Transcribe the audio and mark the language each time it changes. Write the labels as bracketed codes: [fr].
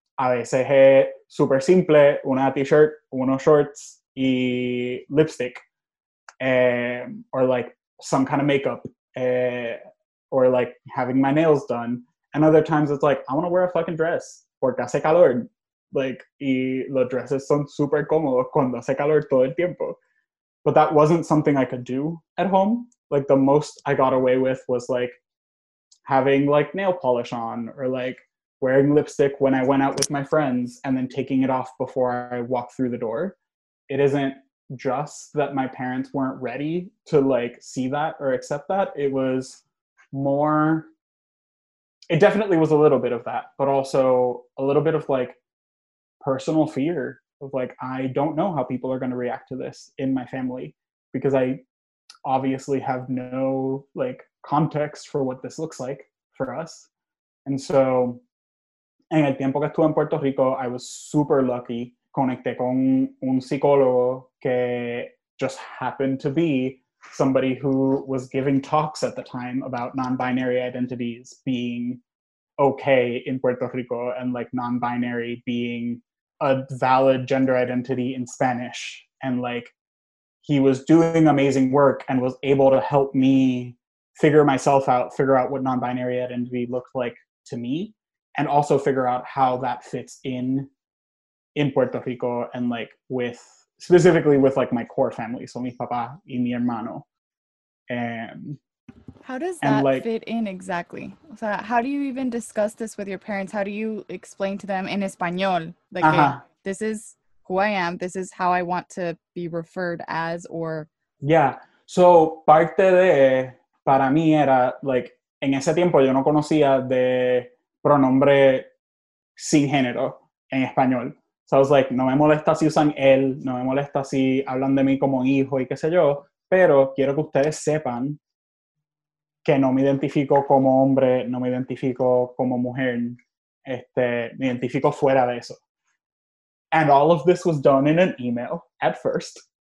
[es] A veces es super simple, una t-shirt, unos shorts y lipstick, [en] or like some kind of makeup, or like having my nails done. And other times it's like, I want to wear a fucking dress [es] porque hace calor. Like, y los dresses son super cómodos cuando hace calor todo el tiempo. [en] But that wasn't something I could do at home. Like the most I got away with was like having like nail polish on or like wearing lipstick when I went out with my friends and then taking it off before I walked through the door. It isn't just that my parents weren't ready to like see that or accept that. It was more, it definitely was a little bit of that, but also a little bit of like personal fear of like, I don't know how people are going to react to this in my family, because I obviously have no like context for what this looks like for us. [es] And so en el tiempo que estuve en Puerto Rico, [en] I was super lucky. [es] Conecté con un psicólogo que [en] just happened to be somebody who was giving talks at the time about non-binary identities being okay in Puerto Rico and like non-binary being a valid gender identity in Spanish. And like, he was doing amazing work and was able to help me figure myself out, figure out what non-binary identity looked like to me, and also figure out how that fits in Puerto Rico and like with, specifically with like my core family, so [es] mi papá y mi hermano. [en] How does that like, fit in exactly? So how do you even discuss this with your parents? How do you explain to them in español? Like, uh-huh. Hey, this is who I am. This is how I want to be referred as, or. Yeah. [es] So parte de, para mí era like, en ese tiempo yo no conocía de pronombre sin género en español. [en] So I was like, [es] no me molesta si usan él, no me molesta si hablan de mí como hijo y qué sé yo, pero quiero que ustedes sepan que no me identifico como hombre, no me identifico como mujer, me identifico fuera de eso. [en] And all of this was done in an email at first.